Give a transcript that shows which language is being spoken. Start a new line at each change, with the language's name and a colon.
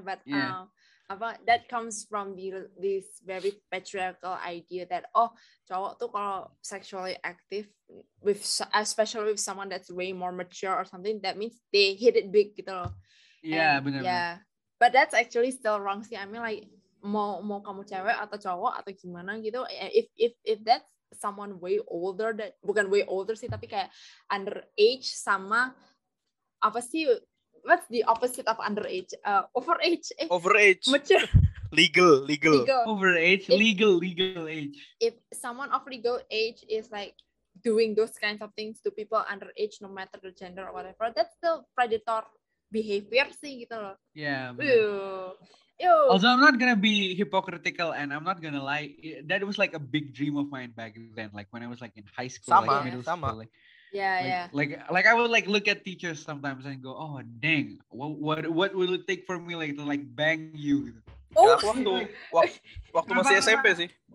English: But that comes from this very patriarchal idea that oh,
Indonesian: cowok tuh kalau
English: sexually active with especially with someone that's way more mature or something, that means they hit it big
Indonesian: gitu loh. Yeah, benar.
English: Yeah, but that's actually still wrong
Indonesian: sih.
English: I mean like
Indonesian: mau kamu cewek atau cowok atau gimana gitu.
English: If that's someone way older that
Indonesian: bukan
English: way older
Indonesian: sih, tapi kayak
English: underage
Indonesian: sama apa sih,
English: what's the opposite of underage? Overage. Mature. legal. Legal age. If someone of legal age is like doing those kinds of things to people underage, no matter the gender or whatever, that's still predator behavior
Indonesian: sih gitu loh.
English: Yeah. Although I'm not gonna be hypocritical and I'm not gonna lie, that was like a big dream of mine back then, like when I was like in high school,
Indonesian: sama,
English: like middle
Indonesian: sama.
English: School. Like, yeah, like I would like look at teachers sometimes and go, oh dang, what will it take for me like to like bang you?
Indonesian: Oh, nah, waktu masih SMP sih.